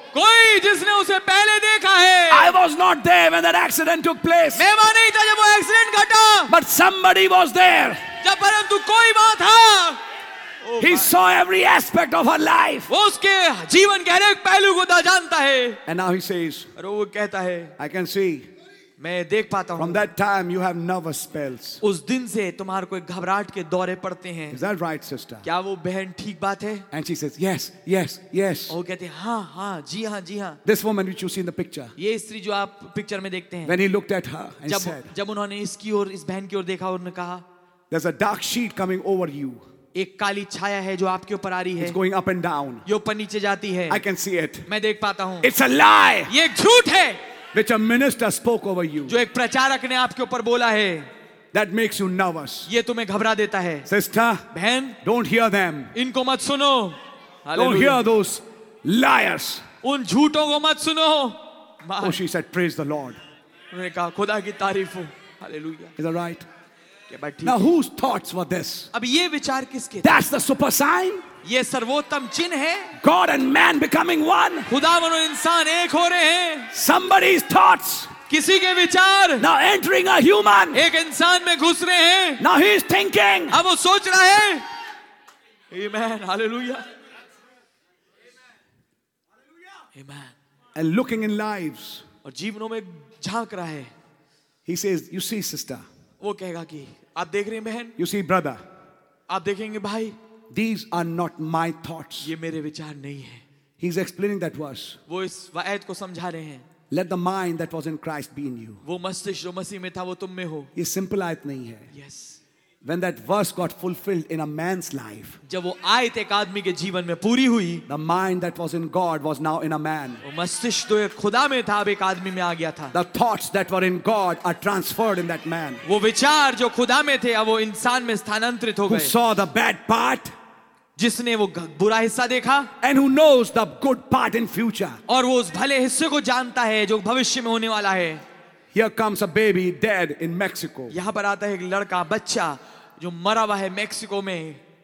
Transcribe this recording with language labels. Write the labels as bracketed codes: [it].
[hi] कोई जिसने उसे पहले देखा है. [en] I was not there when that accident took place. [hi] मैं वहाँ नहीं था जब वो एक्सीडेंट घटा. [en] But somebody was there. [hi] जब परंतु कोई वहाँ था. [en] He saw every aspect of her life. [hi] वो उसके जीवन के हर एक पहलू को जानता है. [en] And now he says. [hi] और वो कहता है. [en] I can see. [hi] मैं देख पाता हूँ. [en] From that time you have nervous spells. [hi] उस दिन से तुम्हारे को एक घबराहट के दौरे पड़ते हैं. [en] Is that right, sister? [hi] क्या वो बहन ठीक बात है? [en] And she says, yes, yes, yes. [hi] वो कहते हैं, हाँ, हाँ, जी हाँ, जी हाँ. [en] This woman which you see in the picture. [hi] ये स्त्री जो आप पिक्चर में देखते हैं. [en] When he looked at her and said. [hi] जब उन्होंने इसकी ओर, इस बहन की ओर देखा और उन्होंने कहा. [en] There's a dark sheet coming over you. [hi] एक काली छाया है जो आपके ऊपर आ रही है. [en] It's going up and down. [hi] ये ऊपर नीचे जाती है. [en] I can see it. [hi] मैं देख पाता हूँ. [en] It's a lie. [hi] ये एक झूठ है. [en] Which a minister spoke over you. [hi] जो एक प्रचारक ने आपके ऊपर बोला है. [en] That makes you nervous. [hi] ये तुम्हें घबरा देता है. [en] Sister, [hi] बहन, [en] don't hear them. [hi] इनको मत सुनो. [en] Don't hear those liars. [hi] उन झूठों को मत सुनो. [en] Oh, she said, praise the Lord. [hi] उन्होंने कहा, खुदा की तारीफ हो. [en] Hallelujah. Is that right? Now whose thoughts were this? [hi] अब ये विचार किसके? [en] That's the super sign. [hi] ये सर्वोत्तम चिन्ह है. [en] God and man becoming one. [hi] खुदा और इंसान एक हो रहे हैं. [en] Somebody's thoughts. [hi] किसी के विचार. [en] Now entering a human. [hi] एक इंसान में घुस रहे हैं. [en] Now he's thinking. [hi] अब वो सोच रहा है. Amen. Hallelujah. [en] Amen. And looking in lives. [hi] और जीवनों में झांक रहा है. [en] He says, "You see, sister." [hi] वो कहेगा कि आप देख रहे हैं बहन. [en] You see, brother. [hi] आप देखेंगे भाई. [en] These are not my thoughts. [hi] ये मेरे विचार नहीं है. [en] He's explaining that verse. [hi] वो इस वायद को समझा रहे हैं. [en] Let the mind that was in Christ be in you. [hi] वो मस्तिष्क जो मसीह में था वो तुम में हो. ये सिंपल आयत नहीं है. [en] Yes. When that verse got fulfilled in a man's life. [hi] जब वो आयत एक आदमी के जीवन में पूरी हुई. [en] The mind that was in God was now in a man. [hi] वो मस्तिष्क तो एक खुदा में था, अब एक आदमी में आ गया था. [en] The thoughts that were in God are transferred in that man. [hi] वो विचार जो खुदा में थे अब वो इंसान में स्थानांतरित हो गए. [en] Who saw the bad part? [hi] जिसने वो बुरा हिस्सा देखा. [en] And who knows the good part in future? [hi] और वो उस भले हिस्से को जानता है जो भविष्य में होने वाला है. [en] Here comes a baby dead in Mexico. [hi] यहाँ पर आता है एक लड़का, बच्चा जो मरा हुआ है मेक्सिको में.